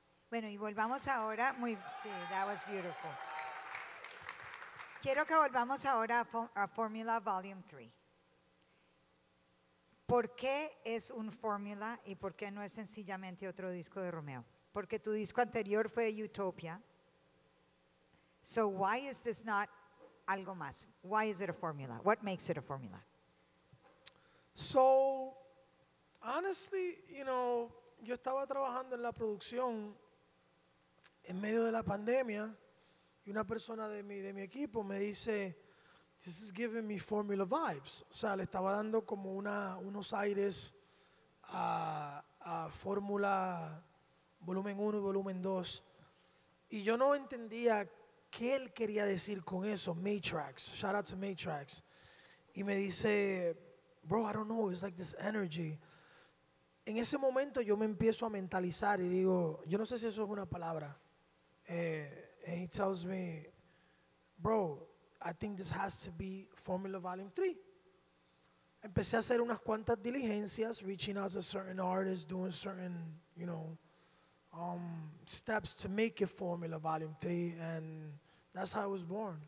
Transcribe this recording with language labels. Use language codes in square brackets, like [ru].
[es] Bueno, y volvamos ahora. Muy, sí, [en] that was beautiful. [es] Quiero que volvamos ahora a Formula Volume 3. ¿Por qué es un Formula y por qué no es sencillamente otro disco de Romeo? Porque tu disco anterior fue Utopia. [en] So why is this not [es] algo más? [en] Why is it a Formula? What makes it a Formula? So, honestly, you know, [es] yo estaba trabajando en la producción en medio de la pandemia y una persona de mi equipo me dice, [en] this is giving me Formula vibes. [es] O sea, le estaba dando como unos aires a Fórmula volumen 1 y volumen 2. Y yo no entendía qué él quería decir con eso, Matrix. [en] Shout out to Matrix. [es] Y me dice, [en] bro, I don't know, it's like this energy. [es] En ese momento yo me empiezo a mentalizar y digo, yo no sé si eso es una palabra. [en] And he tells me, bro, I think this has to be Formula Volume 3. [es] Empecé a hacer unas cuantas diligencias, [en] reaching out to certain artists, doing certain, you know, steps to make it Formula Volume 3, and that's how I was born.